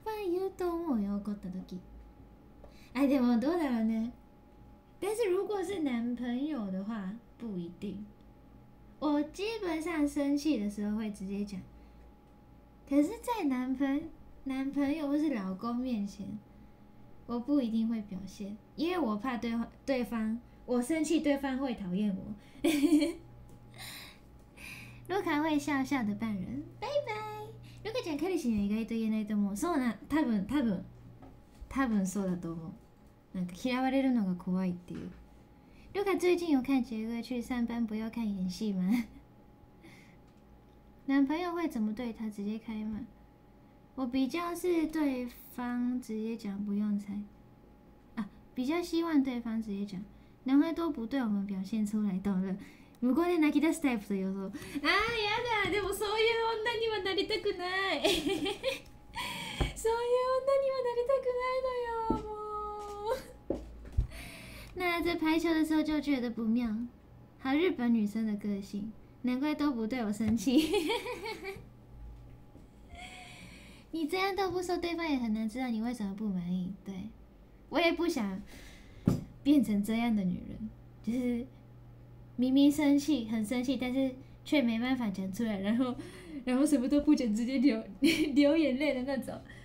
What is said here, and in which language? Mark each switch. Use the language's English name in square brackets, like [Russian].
[Japanese] 言うと思うよ、怒った時。あ、でもどうだろうね。 [Chinese] 但是如果是男朋友的话，不一定。我基本上生气的时候会直接讲。可是，在男朋友或是老公面前，我不一定会表现，因为我怕对方，我生气对方会讨厌我。卢卡会笑笑的扮人，拜拜。 [Japanese] ルカちゃん彼氏には意外と言えないと思う。そうな、多分そうだと思う。なんか嫌われるのが怖いっていう。 [Chinese] ルカ最近有看杰哥去上班不要看演戏吗？男朋友会怎么对他？直接开骂。我比较是对方直接讲不用猜。啊，比较希望对方直接讲。男孩都不对我们表现出来，懂了。 [Japanese] 向こうで泣き出すタイプと予想。あーやだ、でもそういう女にはなりたくない。そういう女にはなりたくないのよ、もう。 [Chinese] 那在排球的时候就觉得不妙。好日本女生的个性，难怪都不对我生气。你这样都不说，对方也很难知道你为什么不满意。对，我也不想变成这样的女人，就是明明生气，很生气，但是却没办法讲出来，然后什么都不讲，直接流眼泪的那种。